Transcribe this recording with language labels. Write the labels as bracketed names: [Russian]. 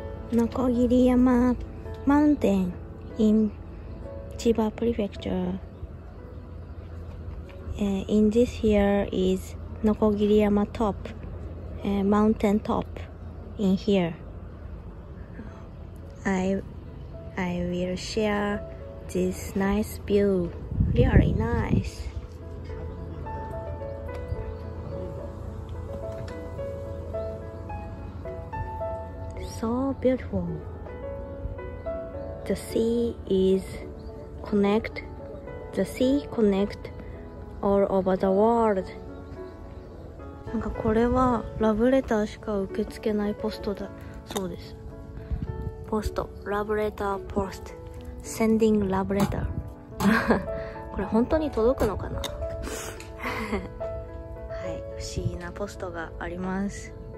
[English] 鋸山マウンテン in 千葉 prefecture. In this here is 鋸山 top, mountain top in here. I will share this nice view. Really nice. So beautiful. The sea is connect. The sea connect all over the world. [Japanese] なんかこれはラブレターしか受け付けないポストだそうです。ポスト、ラブレター、ポスト、sending ラブレター。これ本当に届くのかな。はい、不思議なポストがあります。